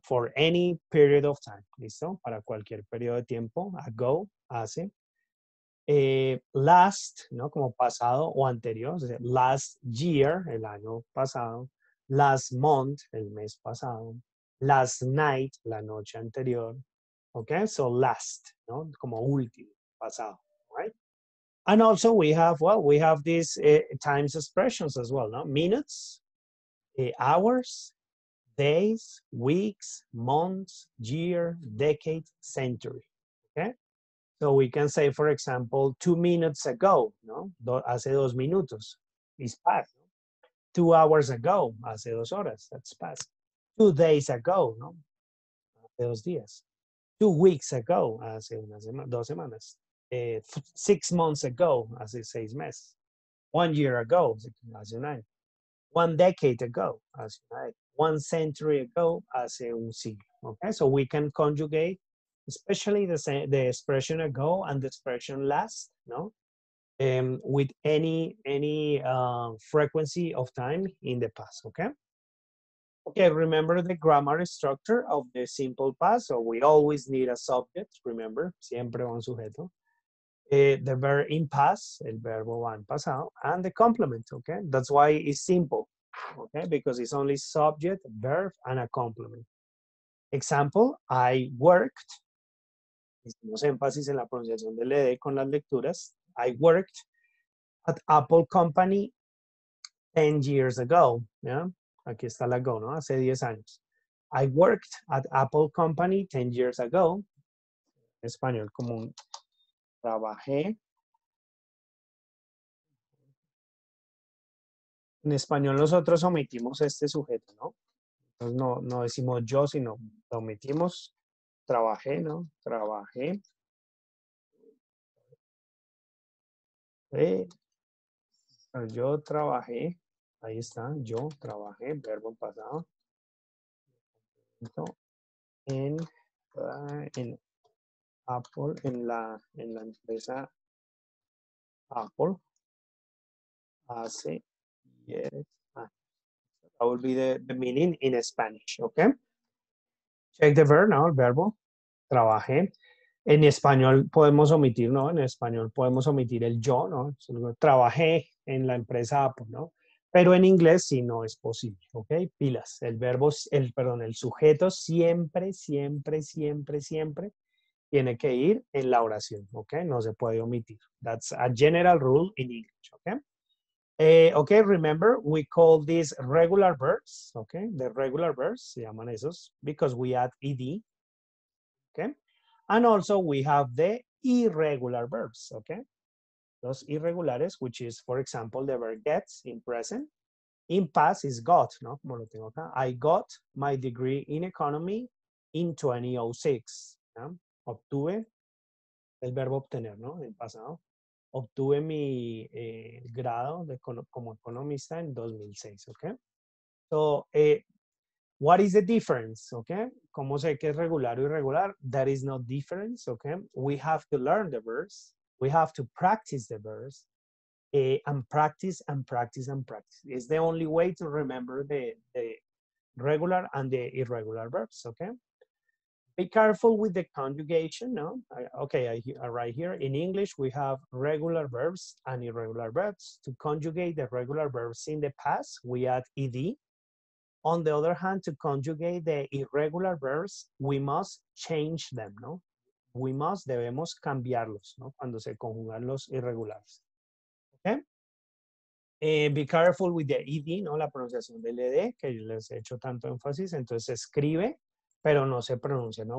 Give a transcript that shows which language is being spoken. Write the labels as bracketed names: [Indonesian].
[English] For any period of time, [Spanish] ¿listo? Para cualquier periodo de tiempo, ago, hace. Last, ¿no? Como pasado o anterior, o sea, [English] last year, [Spanish] el año pasado, [English] last month, [Spanish] el mes pasado, [English] last night, [Spanish] la noche anterior, ¿ok? [English] So last, [Spanish] ¿no? Como último, pasado, [English] right? And also we have, well, we have these times expressions as well, ¿no? Minutes. Hours, days, weeks, months, year, decade, century. Okay, so we can say, for example, 2 minutes ago, no, [Spanish] hace 2 minutos, [English] is past. 2 hours ago, [Spanish] hace 2 horas, [English] that's past. 2 days ago, no, [Spanish] hace 2 días. [English] 2 weeks ago, [Spanish] hace 2 semanas. [English] 6 months ago, [Spanish] hace 6 meses. [English] 1 year ago, [Spanish] hace 9. [English] 1 decade ago, as right. 1 century ago, [Spanish] hace un siglo. [English] Okay, so we can conjugate, especially the expression ago and the expression last, no, with any frequency of time in the past. Okay. Okay. Remember the grammar structure of the simple past. So we always need a subject. [Spanish] Remember, siempre un sujeto. [English] The verb in past, [Spanish] el verbo en pasado, [English] and the complement. Okay, that's why it's simple. Okay, because it's only subject, verb, and a complement. Example, I worked. [Spanish] Hicimos énfasis en la pronunciación del ED con las lecturas. [English] I worked at Apple Company 10 years ago. Yeah? [Spanish] Aquí está la go, ¿no? Hace 10 años. [English] I worked at Apple Company 10 years ago. [Spanish] En español, común. Trabajé. En español nosotros omitimos este sujeto, ¿no? Entonces no decimos yo, sino lo omitimos. Trabajé, ¿no? Trabajé. Yo trabajé Ahí está, yo trabajé, verbo en pasado. En Apple, en la empresa Apple, hace 10 años. [English] That would be the meaning in Spanish, okay? Check the verb now, [Spanish] el verbo, [English] trabajé. [Spanish] En español podemos omitir, ¿no? En español podemos omitir el yo, ¿no? Trabajé en la empresa Apple, ¿no? Pero en inglés sí no es posible, ¿ok? Pilas, el sujeto siempre, siempre, siempre, siempre tiene que ir en la oración, ¿ok? No se puede omitir. [English] That's a general rule in English, ¿ok? Ok, remember, we call these regular verbs, ¿ok? The regular verbs, [Spanish] se llaman esos, [English] because we add ed, ¿ok? And also we have the irregular verbs, ¿ok? [Spanish] Los irregulares, [English] which is, for example, the verb gets in present. In past is got, ¿no? [Spanish] Como lo tengo acá. [English] I got my degree in economy in 2006. [Spanish] ¿No? Obtuve, el verbo obtener, ¿no? En pasado. Obtuve mi grado como economista en 2006, ¿ok? [English] So, what is the difference, [Spanish] ¿ok? ¿Cómo sé que es regular o irregular? [English] There is no difference, ¿ok? We have to learn the verbs. We have to practice the verbs and practice and practice and practice. It's the only way to remember the regular and the irregular verbs, okay? Be careful with the conjugation, no? Right here. In English, we have regular verbs and irregular verbs. To conjugate the regular verbs in the past, we add ed. On the other hand, to conjugate the irregular verbs, we must change them, no? We must, [Spanish] debemos cambiarlos, ¿no? Cuando se conjugan los irregulares. ¿Okay? [English] Be careful with the ED, [Spanish] ¿no? La pronunciación del ED, que yo les he hecho tanto énfasis. Entonces, se escribe, pero no se pronuncia, ¿no?